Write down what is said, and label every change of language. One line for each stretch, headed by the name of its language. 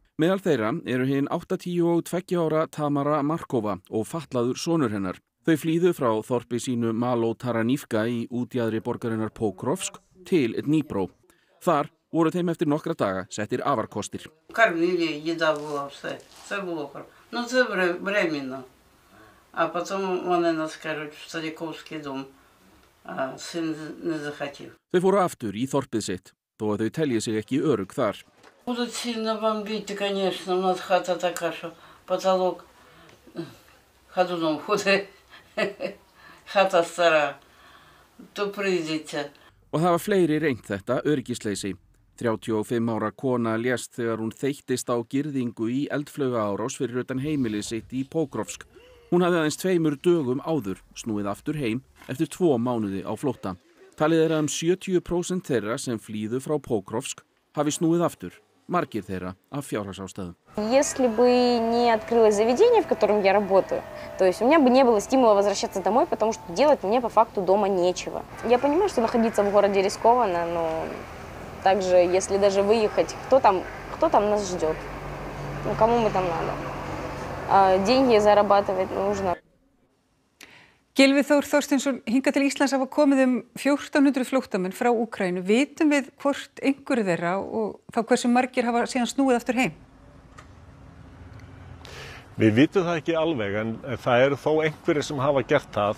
Icelandic: Meðal þeirra eru hinn 82 ára Tamara Markova og fatlaður sonur hennar. Þau flýðu frá þorpi sínu Malo Taranivka í útjaðri borgarinnar Pokrovsk til Dnipro. Þar voru þeim eftir nokkra daga settir afarkostir.
Russian: Кормили, еда была все. Все было хорошо. Ну
Ukrainian: це
Russian: временно. А потом
Ukrainian: вони
Russian: нас, короче, в Садиковский дом. А сын не
Ukrainian: захотів.
Icelandic: Þau fóru aftur í þorpið sitt, þó að þau telji sig ekki örugg þar.
Russian: Будут сильно бомбить, конечно, у нас хата такая, что потолок ходуном ходит. Хата старая. То приедете.
Icelandic: Og það var fleiri reynt þetta öryggisleysi. 35 ára kona lést þegar hún þeyttist á girðingu í eldflaugaárás fyrir utan heimili sitt í Pokrovsk. Hún hafði aðeins tveimur dögum áður snúið aftur heim eftir 2 mánuði á flótta. Talið að 70% þeirra sem flýðu frá Pokrovsk hafi snúið aftur, margir þeirra af fjárhagsástæðum.
Russian: Если бы не открылось заведение, в котором я работаю, то есть у меня бы не было стимула возвращаться домой, потому что делать мне по факту дома нечего. Я понимаю, что находиться в городе рискованно, но также, если даже выехать, кто там нас ждет? Ну, кому мы там надо? А деньги зарабатывать нужно.
Icelandic: Gylfi Þór Þorsteinsson, hingað til Íslands hafa komið 1400 flóttamenn frá Úkraínu. Vitum við hvort einhverju þeirra og þá hversu margir hafa síðan snúið aftur heim? Við vitum það ekki alveg en það eru þó einhverjir sem hafa gert það.